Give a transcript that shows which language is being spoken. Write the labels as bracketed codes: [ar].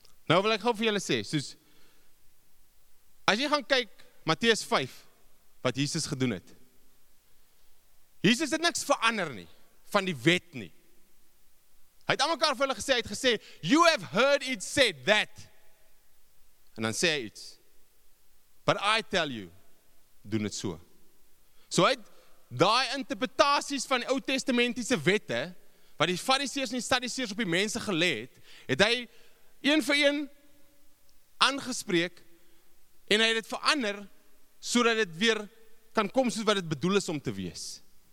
[af] Nou wil ek gou vir julle sê, soos, as jy gaan kyk, Matteus 5, wat Jesus gedoen het. Jesus het niks verander nie, van die wet nie. Hy het aan mekaar vir hulle gesê, hy het gesê, [en] you have heard it said that. [af] En dan sê hy iets. [en] But I tell you, [af] doen het so. So hy het die interpretaties van die Ou Testamentiese wette, wat die fariseers en die sadduseers op die mense gelê het, het hy een vir een aangespreek, en hy het dit verander, sodat dit weer kan kom soos wat dit bedoel is om te wees.